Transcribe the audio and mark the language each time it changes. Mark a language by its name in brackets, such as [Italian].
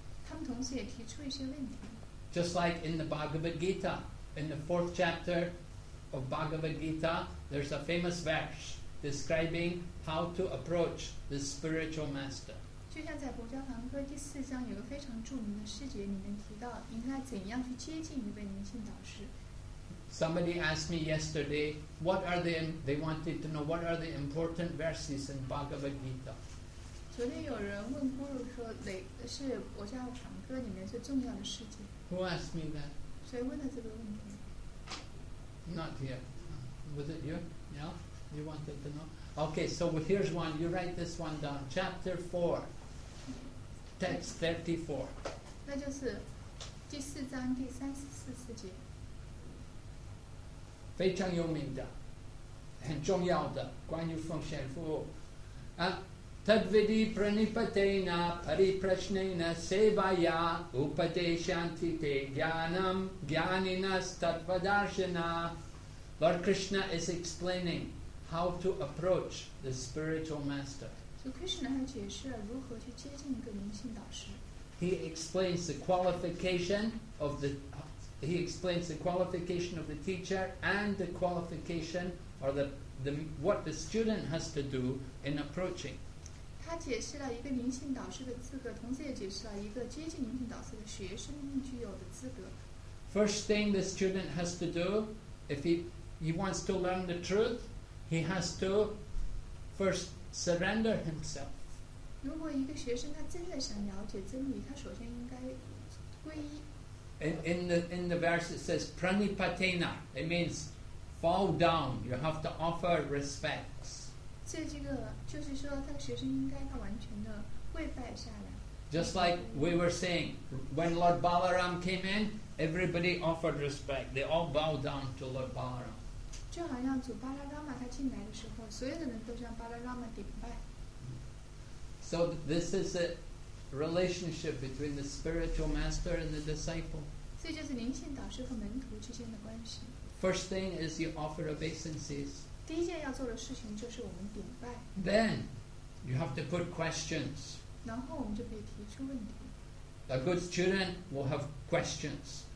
[Chinese] 他们同时也提出一些问题。 [English] Just like in the Bhagavad Gita, in the fourth chapter of Bhagavad Gita, there's a famous verse describing how to approach the spiritual master. [Chinese] 就像在《博伽梵歌》第四章有个非常著名的细节里面提到，应该怎样去接近一位灵性导师。 [English] Somebody asked me yesterday, they wanted to know what are the important verses in Bhagavad Gita. [Chinese] 昨天有人问 Guru 说，是我叫唱歌里面最重要的事情。 [English] Who asked me that? [Chinese] 谁问的这个问题？ [English] Not here. Was it you? Yeah? You wanted to know? Okay, so here's one. You write this one down. Chapter 4. Text 34. [Chinese] 那就是第四章第三十四四节。非常有名的，很重要的，关于奉献服务。 [Sanskrit] Tadvidi pranipatena pariprashnena sevaya upadeshantite jnanam jnaninas tatvadarshana. [English] Lord Krishna is explaining how to approach the spiritual master. So [Chinese] Krishna 还解释了如何去接近一个灵性导师。 [English] He explains the qualification of the teacher and the qualification or the what the student has to do in approaching. [Chinese] 他解释了一个灵性导师的资格，同时也解释了一个接近灵性导师的学生应具有的资格。 [English] First thing the student has to do, if he wants to learn the truth, he has to first surrender himself. [Chinese] 如果一个学生他真的想了解真理，他首先应该皈依。 [English] In the verse it says pranipatena, it means fall down. You have to offer respects. [Chinese] 这个就是说，他学生应该要完全的跪拜下来。 [English] Just like we were saying, when Lord Balaram came in, everybody offered respect. They all bowed down to Lord Balaram. [Chinese] 就好像主巴拉拉玛他进来的时候，所有的人都向巴拉拉玛顶拜。 [English] So this is it. Relationship between the spiritual master and the disciple. [Chinese] 这就是灵性导师和门徒之间的关系。 [English] First thing is you offer obeisances. [Chinese] 第一件要做的事情就是我们顶拜。 [English] Then you have to put questions. [Chinese] 然后我们就可以提出问题。 [English] A good student will have questions.